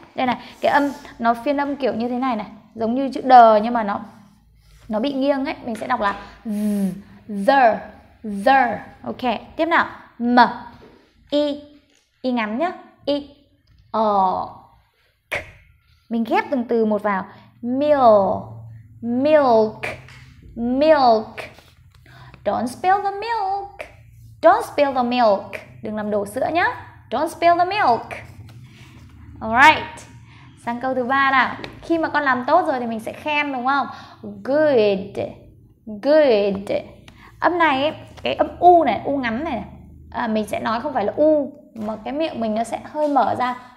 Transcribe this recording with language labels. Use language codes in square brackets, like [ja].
[vi] Đây này, cái âm nó phiên âm kiểu như thế này này, giống như chữ đờ nhưng mà nó bị nghiêng ấy, mình sẽ đọc là the, the. Ok, tiếp nào. M, y, y ngắn nhá, y, ờ, k. Mình ghép từng từ một vào. [en] Meal, milk, milk. Don't spill the milk, don't spill the milk. [vi] Đừng làm đổ sữa nhá, [en] don't spill the milk. [vi] Alright, sang câu thứ ba nào. Khi mà con làm tốt rồi thì mình sẽ khen đúng không? [en] Good, good. [vi] Âm này, cái âm u này, u ngắn này, à, mình sẽ nói không phải là u mà cái miệng mình nó sẽ hơi mở ra.